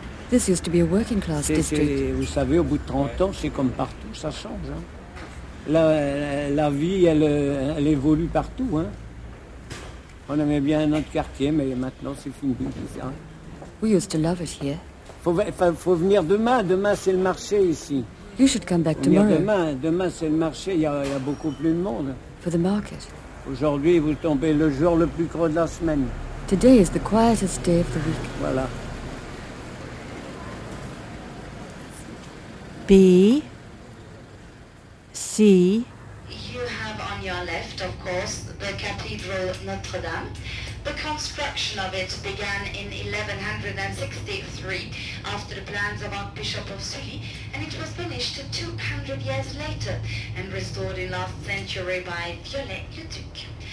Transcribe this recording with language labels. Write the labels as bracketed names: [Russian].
[English] This used to be a working class district. [French] Vous savez, au bout de 30 ans, c'est comme partout, ça change, hein. La vie, elle évolue partout, hein. On aimait bien notre quartier, mais maintenant c'est fini, c'est ça. [English] We used to love it here. [French] Faut venir demain c'est le marché ici. [English] You should come back tomorrow. [French] Demain c'est le marché, il y a beaucoup plus de monde. [English] For the market. [French] Aujourd'hui, vous tombez le jour le plus creux de la semaine. [English] Today is the quietest day of the week. [French] Voilà. B. C. [English] You have on your left, of course, the Cathedral Notre Dame. The construction of it began in 1163 after the plans of Archbishop of Sully, and it was finished 200 years later and restored in last century by Violet Le Duc.